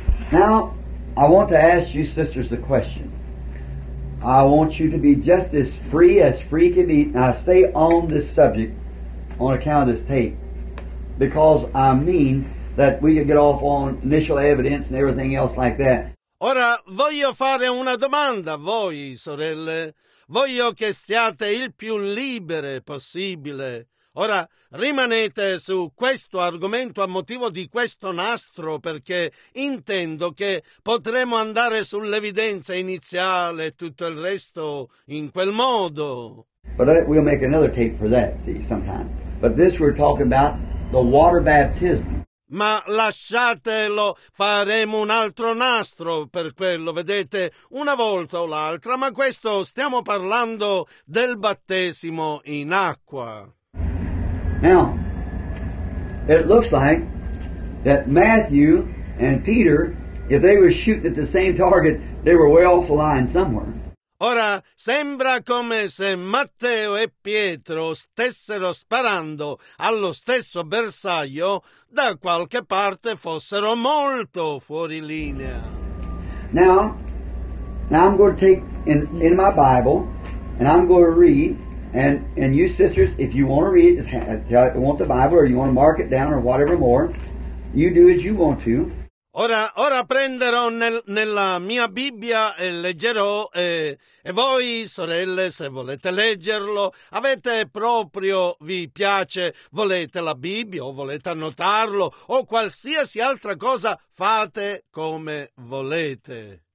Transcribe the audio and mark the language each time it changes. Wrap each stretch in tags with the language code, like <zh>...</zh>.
<en>Now, I want to ask you sisters a question. I want you to be just as free can be. Now, stay on this subject on account of this tape. Because I mean that we could get off on initial evidence and everything else like that.</en> <it>Ora voglio fare una domanda a voi, sorelle. Voglio che siate il più libere possibile. Ora rimanete su questo argomento a motivo di questo nastro, perché intendo che potremo andare sull'evidenza iniziale e tutto il resto in quel modo.</it> <en>But we'll make another tape for that, see, sometime. But this we're talking about the water baptism.</en> <it>Ma lasciatelo, faremo un altro nastro per quello, vedete, una volta o l'altra, ma questo stiamo parlando del battesimo in acqua.</it> <en>Now, it looks like that Matthew and Peter, if they were shooting at the same target, they were way off the line somewhere.</en> <it>Ora, sembra come se Matteo e Pietro stessero sparando allo stesso bersaglio, da qualche parte fossero molto fuori linea.</it> <en>Now I'm going to take in my Bible, and I'm going to read, and you sisters, if you want to read it, want the Bible, or you want to mark it down, or whatever more, you do as you want to.</en> <it>Ora prenderò nella mia Bibbia e leggerò, e voi, sorelle, se volete leggerlo, avete proprio, vi piace, volete la Bibbia o volete annotarlo o qualsiasi altra cosa, fate come volete.</it>